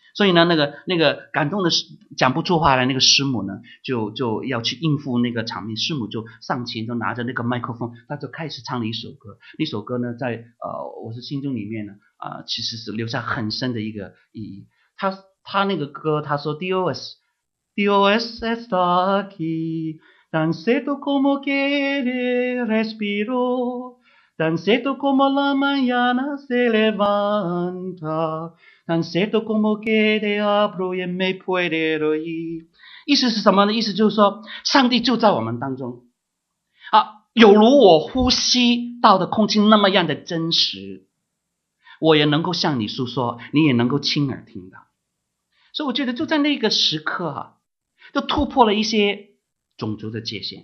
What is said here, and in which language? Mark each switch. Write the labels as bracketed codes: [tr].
[zh] 所以呢那个感动的讲不出话来，那个师母呢就要去应付那个场面，师母就上前就拿着那个麦克风，他就开始唱了一首歌，那首歌呢在我是心中里面呢其实是留下很深的一个意义。他那个歌他说 [es] Dios está aquí, tan cierto como que respiro, tan cierto como la mañana se levanta, tan cierto como que te abro y me puede oír. [zh] 意思是什么呢？意思就是说上帝就在我们当中啊，有如我呼吸到的空气那么样的真实，我也能够向你诉说，你也能够亲耳听到。所以我觉得就在那个时刻啊，就突破了一些种族的界限。